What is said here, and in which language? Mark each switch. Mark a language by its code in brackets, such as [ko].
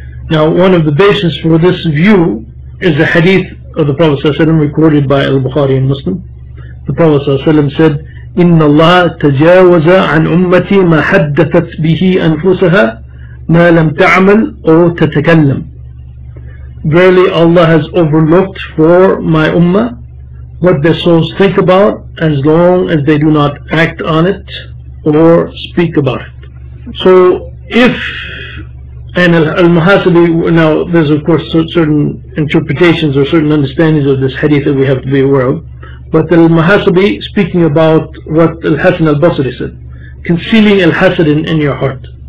[en] Now, one of the basis for this view is the hadith of the Prophet Sallallahu Alaihi Wasallam recorded by Al-Bukhari and Muslim. The Prophet Sallallahu Alaihi Wasallam said, [ar] إِنَّ اللَّهَ تَجَاوَزَ عَنْ أُمَّتِي مَا حَدَّثَتْ بِهِ أَنفُسَهَا مَا لَمْ تَعْمَلْ أَوْ تَتَكَلَّمْ. [en] Verily Allah has overlooked for my ummah what their souls think about as long as they do not act on it or speak about it. So if, and al-muhasabi, now there's of course certain interpretations or certain understandings of this hadith that we have to be aware of, but al-muhasabi, speaking about what al-Hasan al-Basri said, concealing al-hasad in your heart.